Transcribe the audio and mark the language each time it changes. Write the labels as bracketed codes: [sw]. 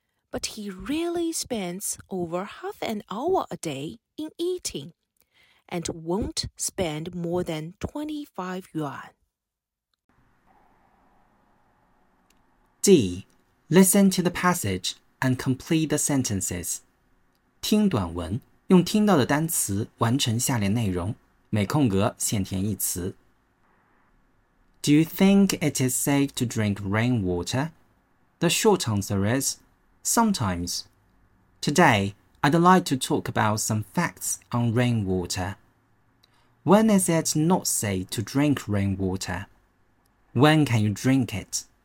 [en] But he rarely spends over half an hour a day in eating and won't spend more than 25 yuan. D. Listen to the passage and complete the sentences. [zh] 听短文，用听到的单词完成下列内容，每空格先填一词。 [en] Do you think it is safe to drink rainwater? The short answer is, sometimes. Today, I'd like to talk about some facts on rainwater. When is it not safe to drink rainwater? When can you drink it?